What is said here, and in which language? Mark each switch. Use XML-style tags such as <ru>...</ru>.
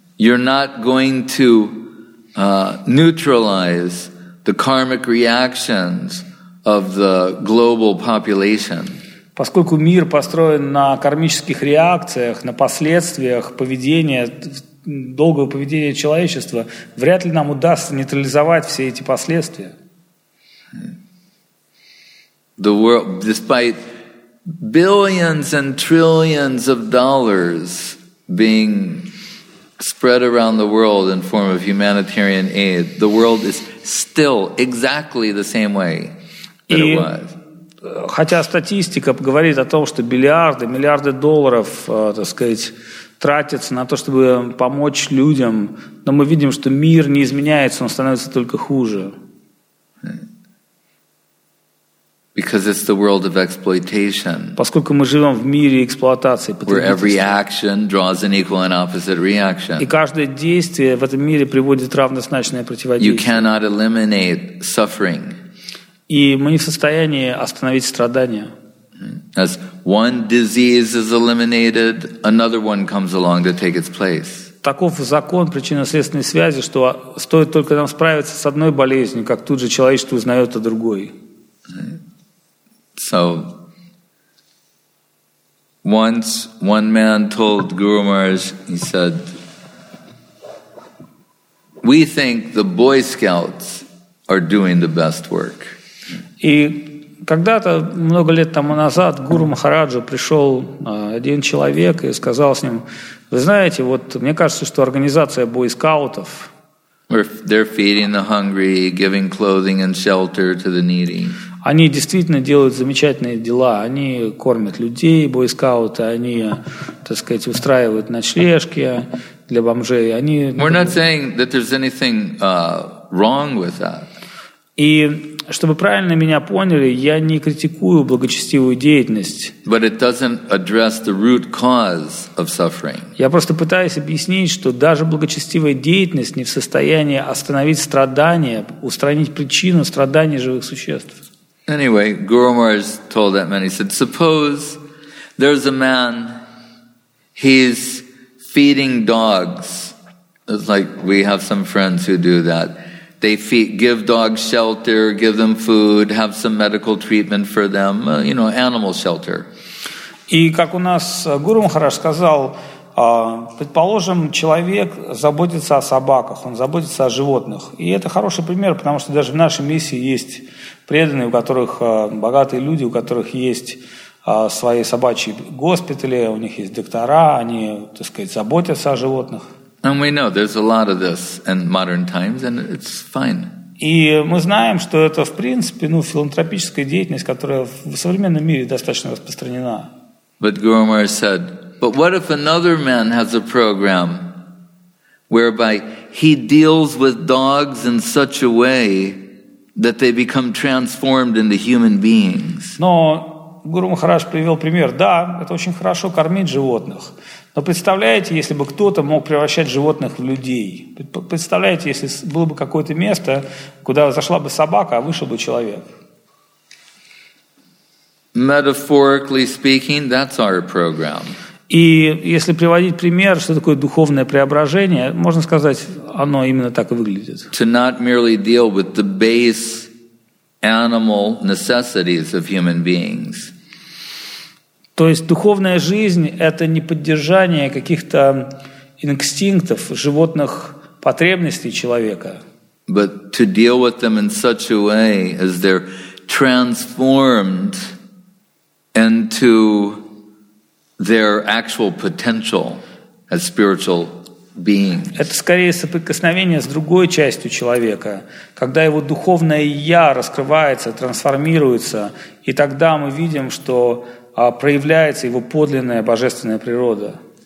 <en>You're not going to neutralize the karmic reactions of the global population.</en> <ru>Поскольку мир построен на кармических реакциях, на последствиях поведения, долгого поведения человечества, вряд ли нам удастся нейтрализовать все эти последствия.</ru> <en>The world, despite billions and trillions of dollars being spread around the world in form of humanitarian aid, the world is still exactly the same way that it was.</en> <ru>Хотя статистика говорит о том, что миллиарды, миллиарды долларов, так сказать, тратятся на то, чтобы помочь людям, но мы видим, что мир не изменяется, он становится только хуже.</ru> <en>Because it's the world of exploitation.</en> <ru>Поскольку мы живем в мире эксплуатации,</ru> <en>where every action draws an equal and opposite reaction.</en> <ru>И каждое действие в этом мире приводит равнозначное противодействие.</ru> <en>You cannot eliminate suffering.</en> <ru>И мы не в состоянии остановить страдания.</ru> <en>As one disease is eliminated, another one comes along to take its place.</en> <ru>Таков закон причинно-следственной связи, что стоит только нам справиться с одной болезнью, как тут же человечество узнает о другой.</ru> <en>So, once one man told Guru Maharaj, he said, "We think the Boy Scouts are doing the best work."</en> <ru>И когда-то, много лет тому назад, к Гуру Махараджу пришел один человек и сказал с ним: «Вы знаете, вот мне кажется, что организация бойскаутов, они действительно делают замечательные дела, они кормят людей, бойскауты, они, так сказать, устраивают ночлежки для бомжей». Они,</ru> <en>We're not saying that there's anything wrong with that.</en> <ru>И чтобы правильно меня поняли, я не критикую благочестивую деятельность.</ru> <en>But it doesn't address the root cause of suffering.</en> <ru>Я просто пытаюсь объяснить, что даже благочестивая деятельность не в состоянии остановить страдания, устранить причину страданий живых существ.</ru> <en>Anyway, Guru Maharaj told that man, he said, suppose there's a man, he's feeding dogs. It's like we have some friends who do that. They give dogs shelter, give them food, have some medical treatment for them, you know, animal shelter.</en> <ru>И как у нас Гуру Махарадж сказал, предположим, человек заботится о собаках, он заботится о животных. И это хороший пример, потому что даже в нашей миссии есть преданные, у которых богатые люди, у которых есть свои собачьи госпитали, у них есть доктора, они, так сказать, заботятся о животных.</ru> <en>And we know there's a lot of this in modern times, and it's fine.</en> <ru>И мы знаем, что это, в принципе, ну, филантропическая деятельность, которая в современном мире достаточно распространена.</ru> <en>But Guru Maharaj said, but what if another man has a program whereby he deals with dogs in such a way that they become transformed into human beings?</en> <ru>Но Гуру Махарадж привел пример. Да, это очень хорошо кормить животных. Но представляете, если бы кто-то мог превращать животных в людей? Представляете, если было бы какое-то место, куда зашла бы собака, а вышел бы человек?</ru> <en>Metaphorically speaking, that's our program.</en> <ru>И если приводить пример, что такое духовное преображение, можно сказать, оно именно так и выглядит.</ru> <en>To not merely deal with the base animal necessities of human beings.</en> <ru>То есть духовная жизнь – это не поддержание каких-то инстинктов, животных потребностей человека.</ru> <en>But to deal with them in such a way as they're transformed into their actual potential as spiritual beings.</en> <ru>Это скорее соприкосновение с другой частью человека, когда его духовное «я» раскрывается, трансформируется, и тогда мы видим, что проявляется его подлинная божественная природа.</ru>